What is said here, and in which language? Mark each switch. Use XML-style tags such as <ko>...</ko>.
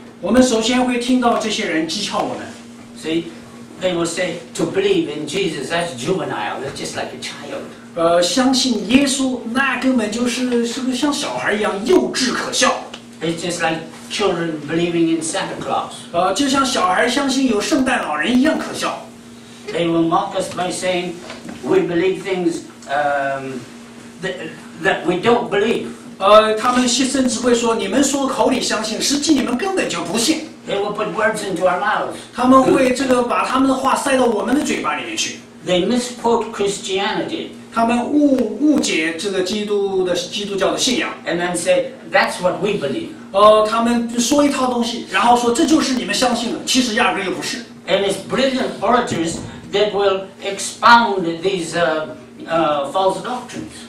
<zh>我们首先会听到这些人讥诮我们。</zh> <en>See, they will say to believe in Jesus, that's juvenile, that's just like a child.</en> <zh>相信耶稣那根本就是个像小孩一样幼稚可笑。</zh> <en>It's just like children believing in Santa Claus.</en> <zh>就像小孩相信有圣诞老人一样可笑。</zh> <en>They will mock us by saying we believe things that we don't believe.</en> <zh>他们甚至会说你们说口里相信，实际你们根本就不信。</zh> <en>They will put words into our mouths.</en> <zh>他们会这个把他们的话塞到我们的嘴巴里面去。</zh> <en>They misquote Christianity.</en> <zh>他们误解这个基督教的信仰。</zh> <en>And then say that's what we believe.</en> <zh>他们说一套东西，然后说这就是你们相信的，其实压根又不是。</zh> <en>And it's brilliant orators that will expound these false doctrines.</en>